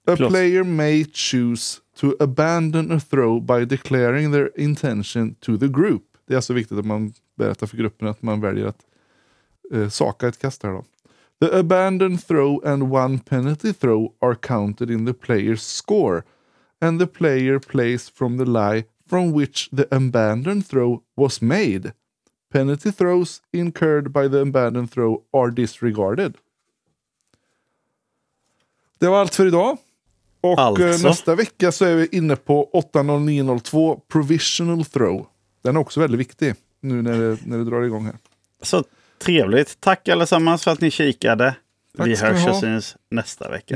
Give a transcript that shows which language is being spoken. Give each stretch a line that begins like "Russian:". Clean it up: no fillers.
English: A player may choose to abandon a throw by declaring their intention to the group.
Swedish: Det är så viktigt att man berättar för gruppen att man väljer att saka ett kast här då.
English: The abandoned throw and one penalty throw are counted in the player's score. And the player plays from the lie from which the abandoned throw was made. Penalty throws incurred by the abandoned throw are disregarded.
Swedish: Det var allt för idag. Och nästa vecka så är vi inne på 809.02, provisional throw. Den är också väldigt viktig nu när det drar igång här. Så trevligt. Tack allesammans för att ni kikade. Tack, vi hörs och syns nästa vecka.